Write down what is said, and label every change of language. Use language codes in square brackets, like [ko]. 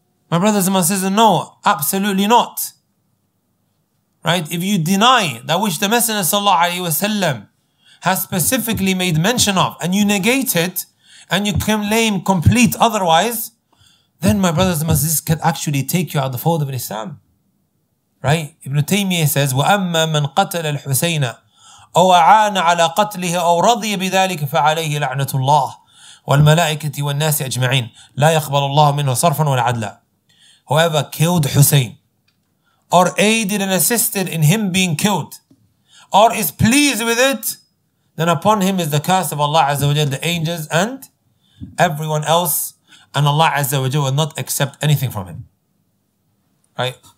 [en] My brothers and my sisters, no, absolutely not. Right? If you deny that which the Messenger sallallahu alayhi wa sallam has specifically made mention of, and you negate it, and you claim complete otherwise, then my brothers and my sisters can actually take you out of the fold of Islam. Right? Ibn Taymiyyah says, [ar] وَأَمَّا مَنْ قَتَلَ الْحُسَيْنَ أو أعان على قتله أو رضي بذلك فعليه لعنة الله والملائكة والناس أجمعين لا يقبل الله منه صرفا ولا عدلا. [en] Whoever killed Hussein or aided and assisted in him being killed or is pleased with it, then upon him is the curse of Allah Azza wa Jal, the angels and everyone else, and Allah Azza wa Jal will not accept anything from him. Right?